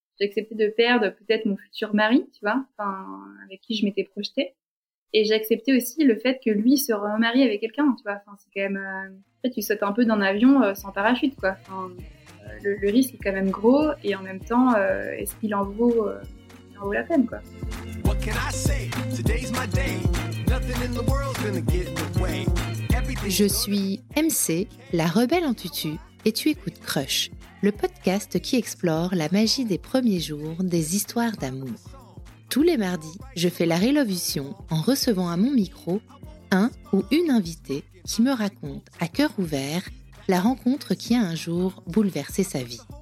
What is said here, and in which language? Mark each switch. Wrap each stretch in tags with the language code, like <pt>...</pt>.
<fr>J'ai accepté de perdre peut-être mon futur mari, tu vois, enfin avec qui je m'étais projetée. Et j'ai accepté aussi le fait que lui se remarie avec quelqu'un, tu vois. Enfin, c'est quand même... En fait, tu sautes un peu dans un avion sans parachute, quoi. Enfin, le risque est quand même gros. Et en même temps, est-ce qu'il en vaut la peine, quoi.</fr> <en>What can I say? Today's my day. Nothing in the world's gonna get in the way. Everything...</en> <fr>Je suis MC, la rebelle en tutu, et tu écoutes Crush, le podcast qui explore la magie des premiers jours des histoires d'amour. Tous les mardis, je fais la Rélovution en recevant à mon micro un ou une invitée qui me raconte à cœur ouvert la rencontre qui a un jour bouleversé sa vie.</fr>